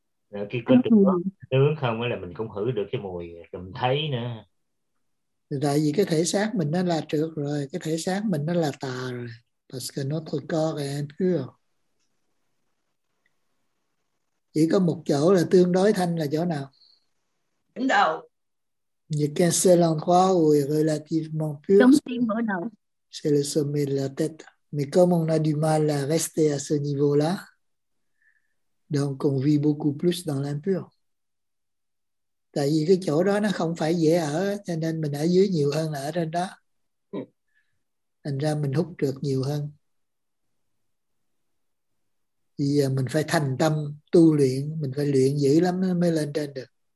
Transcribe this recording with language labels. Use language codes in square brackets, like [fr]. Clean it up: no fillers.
[vi] Rồi khi có tướng không là mình cũng thử được cái mùi, mình thấy nữa. Tại vì cái thể xác mình nó là trượt rồi, cái thể xác mình nó là tà rồi. [fr] Parce que notre corps est impur. [vi] Chỉ có một chỗ là tương đối thanh là chỗ nào? Đỉnh đầu. [fr] Như can se l'endroit où est relativement pur. [vi] Trong tim mở đầu. [fr] C'est le sommet de la tête. Mais comme on a du mal à rester à ce niveau-là, donc on vit beaucoup plus dans l'impur. [vi] Tại vì cái chỗ đó nó không phải dễ ở, cho nên mình ở dưới nhiều hơn là ở trên đó. Thành ra mình hút trượt nhiều hơn. Vì mình phải thành tâm tu luyện, mình phải luyện dữ lắm mới lên trên được.